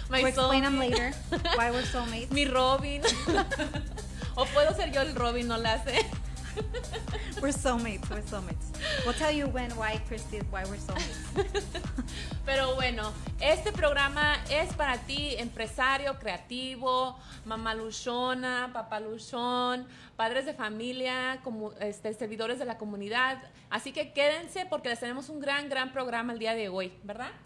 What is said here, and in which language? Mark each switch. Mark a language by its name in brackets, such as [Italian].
[English] My we'll explain them later why we're soulmates. [Spanish] Mi Robin. O puedo ser yo el Robin, no la sé. [English] We're soulmates. We'll tell you when, why, Kristi, why we're soulmates. [Spanish] Pero bueno, este programa es para ti, empresario, creativo, mamá luchona, papá luchón, padres de familia, como, servidores de la comunidad. Así que quédense porque les tenemos un gran, gran programa el día de hoy, ¿verdad?